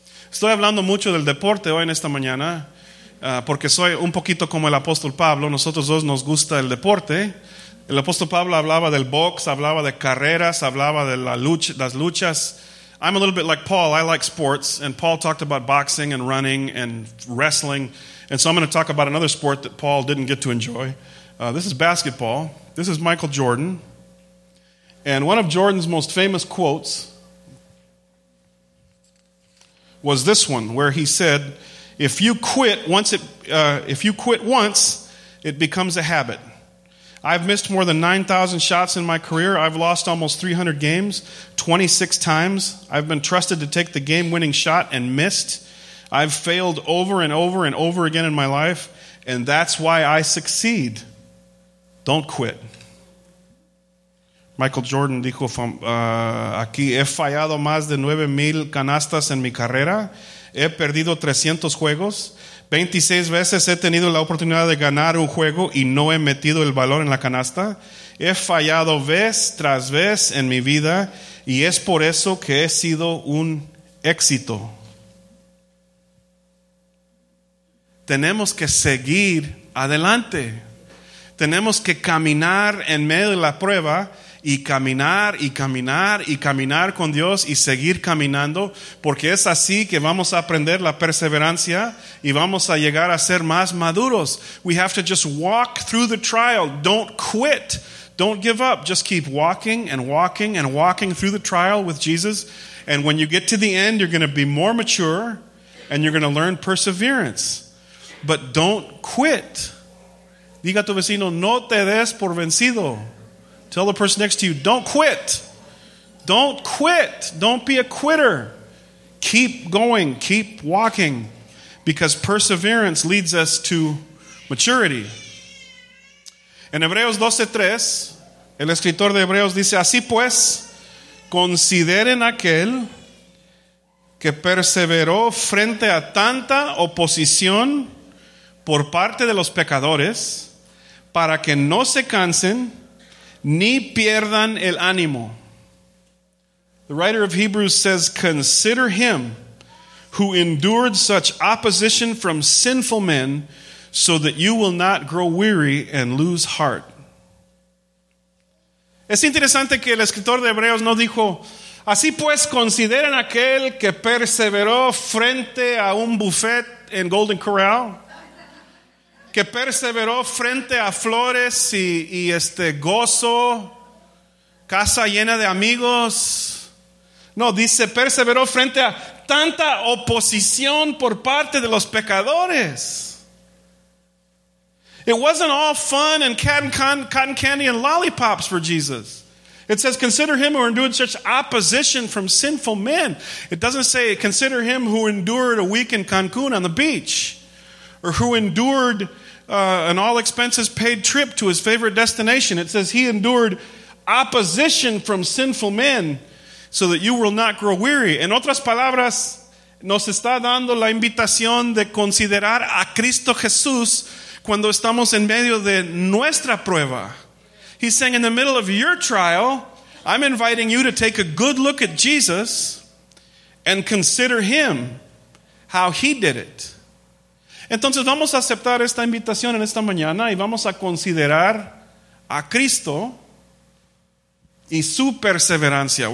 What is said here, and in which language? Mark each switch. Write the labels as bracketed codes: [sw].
[es] Estoy hablando mucho del deporte hoy en esta mañana, porque soy un poquito como el apóstol Pablo. Nosotros dos nos gusta el deporte. El apóstol Pablo hablaba del box, hablaba de carreras, hablaba de la lucha, las luchas. [en] I'm a little bit like Paul. I like sports. And Paul talked about boxing and running and wrestling. And so I'm going to talk about another sport that Paul didn't get to enjoy. This is basketball. This is Michael Jordan. And one of Jordan's most famous quotes was this one, where he said, if you quit once, it becomes a habit. I've missed more than 9,000 shots in my career. I've lost almost 300 games 26 times. I've been trusted to take the game-winning shot and missed. I've failed over and over and over again in my life, and that's why I succeed. Don't quit. [es] Michael Jordan dijo, aquí he fallado más de 9,000 canastas en mi carrera. He perdido 300 juegos. 26 veces he tenido la oportunidad de ganar un juego y no he metido el balón en la canasta. He fallado vez tras vez en mi vida y es por eso que he sido un éxito. Tenemos que seguir adelante. Tenemos que caminar en medio de la prueba y caminar y caminar y caminar con Dios y seguir caminando, porque es así que vamos a aprender la perseverancia y vamos a llegar a ser más maduros. [en] We have to just walk through the trial. Don't quit. Don't give up. Just keep walking and walking and walking through the trial with Jesus. And when you get to the end, you're going to be more mature and you're going to learn perseverance. But don't quit. [es] Diga a tu vecino, no te des por vencido. [en] Tell the person next to you, don't quit. Don't quit. Don't be a quitter. Keep going. Keep walking. Because perseverance leads us to maturity. [es] En Hebreos 12:3, el escritor de Hebreos dice, así pues, consideren aquel que perseveró frente a tanta oposición por parte de los pecadores para que no se cansen ni pierdan el ánimo. [en] The writer of Hebrews says, consider him who endured such opposition from sinful men so that you will not grow weary and lose heart. [es] Es interesante que el escritor de Hebreos no dijo, así pues, consideren aquel que perseveró frente a un buffet en Golden Corral, que perseveró frente a flores y este gozo, casa llena de amigos. No, dice, perseveró frente a tanta oposición por parte de los pecadores. [en] It wasn't all fun and cotton candy and lollipops for Jesus. It says, consider him who endured such opposition from sinful men. It doesn't say, consider him who endured a week in Cancun on the beach, or who endured an all-expenses-paid trip to his favorite destination. It says he endured opposition from sinful men so that you will not grow weary. [es] En otras palabras, nos está dando la invitación de considerar a Cristo Jesús cuando estamos en medio de nuestra prueba. [en] He's saying, in the middle of your trial, I'm inviting you to take a good look at Jesus and consider him, how he did it. [es] Entonces vamos a aceptar esta invitación en esta mañana y vamos a considerar a Cristo y su perseverancia.